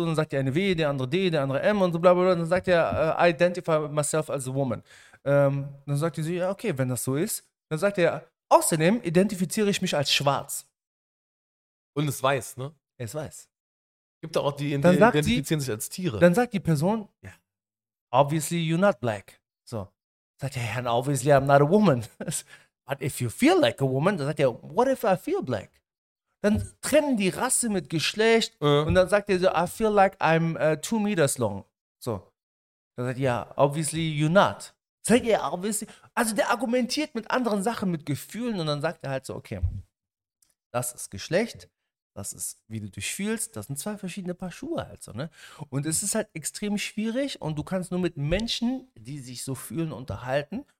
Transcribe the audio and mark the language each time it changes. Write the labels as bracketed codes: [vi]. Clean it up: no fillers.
[de] Und dann sagt der eine W, der andere D, der andere M und so bla bla bla. Und dann sagt der, [en] identify myself as a woman. [de] Dann sagt die so, ja, okay, wenn das so ist. Dann sagt er, außerdem identifiziere ich mich als schwarz. Und es weiß, ne? Es weiß. Gibt auch die, die identifizieren sich als Tiere. Dann sagt die Person, ja, [en] obviously you're not black. [de] So. [en] Sagt er, and obviously I'm not a woman. But if you feel like a woman, [de] dann sagt er, [en] what if I feel black? [de] Dann trennen die Rasse mit Geschlecht und dann sagt er so, [en] I feel like I'm 2 meters long. [de] So. Dann sagt er, ja, [en] obviously you're not. [de] Sagt er, obviously. Also der argumentiert mit anderen Sachen, mit Gefühlen und dann sagt er halt so, okay. Das ist Geschlecht, das ist, wie du dich fühlst, das sind 2 verschiedene Paar Schuhe halt so, ne? Und es ist halt extrem schwierig und du kannst nur mit Menschen, die sich so fühlen, unterhalten.